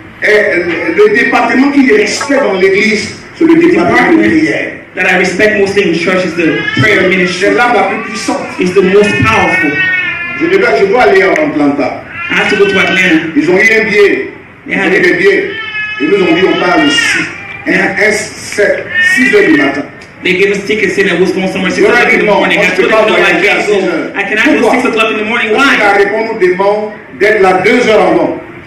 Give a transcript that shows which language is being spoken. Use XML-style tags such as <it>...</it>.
<fr>le département qui respecte dans l'église, c'est le département de prière.</fr> <en>That I respect mostly in church is the prayer ministry. It's the most powerful.</en> <fr>Je dois aller en Atlanta.</fr> <en>I have to go to Atlanta.</en> <fr>Ils ont eu un billet. Ils nous ont dit on part le 6 heures du matin.</fr> <en>They gave us tickets saying that we're going somewhere 6 o'clock in the morning. I told them no, I can't go. I cannot go 6 o'clock in the morning. Why?</en> <fr>Ils ont répondu demain d'être là 2 heures avant.</fr>